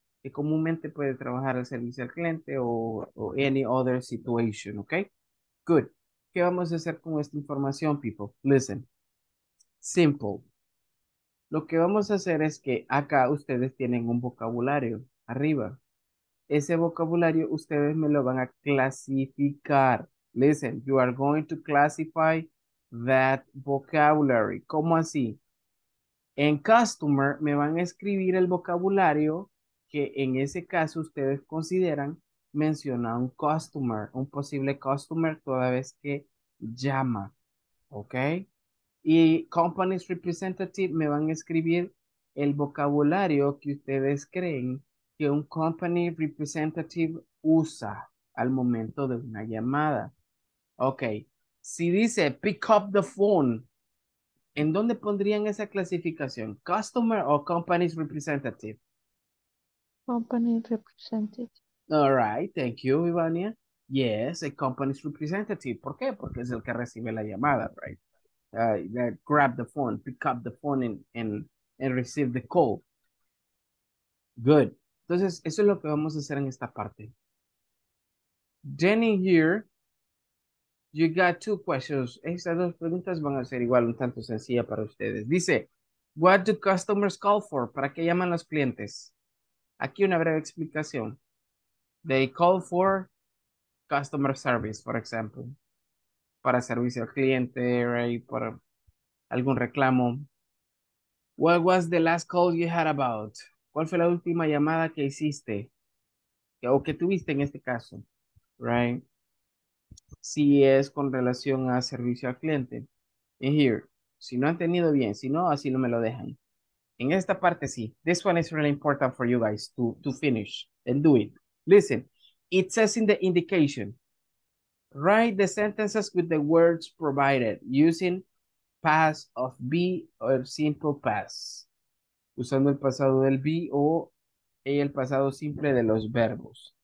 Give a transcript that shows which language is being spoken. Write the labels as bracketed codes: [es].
[es] Que comúnmente puede trabajar al servicio al cliente o [en] any other situation, [es] okay? Good. ¿Qué vamos a hacer con esta información, people? [en] Listen. [es] Simple. Lo que vamos a hacer es que acá ustedes tienen un vocabulario arriba. Ese vocabulario ustedes me lo van a clasificar. [en] Listen, you are going to classify that vocabulary. [es] ¿Cómo así? En customer me van a escribir el vocabulario que en ese caso ustedes consideran mencionar un customer, un posible customer toda vez que llama. ¿Ok? Y company's representative me van a escribir el vocabulario que ustedes creen que un company representative usa al momento de una llamada. Ok, si dice [en] pick up the phone, [es] ¿en dónde pondrían esa clasificación? ¿Customer o company's representative? [en] Company representative. All right, thank you, Ivania. Yes, a company's representative. [es] ¿Por qué? Porque es el que recibe la llamada, right? [en] Grab the phone, pick up the phone and receive the call. Good. [es] Entonces, eso es lo que vamos a hacer en esta parte. [en] Then in here, you got two questions. [es] Estas dos preguntas van a ser igual un tanto sencilla para ustedes. Dice, [en] what do customers call for? [es] ¿Para qué llaman los clientes? Aquí una breve explicación. [en] They call for customer service, for example. [es] Para servicio al cliente, right? Para algún reclamo. [en] What was the last call you had about? [es] ¿Cuál fue la última llamada que hiciste? O que tuviste en este caso, right? Si es con relación a servicio al cliente. [en] In here. [es] Si no han tenido bien. Si no, así no me lo dejan. En esta parte sí. [en] This one is really important for you guys to finish and do it. Listen. It says in the indication. Write the sentences with the words provided using past of be or simple past. [es] Usando el pasado del be o el pasado simple de los verbos.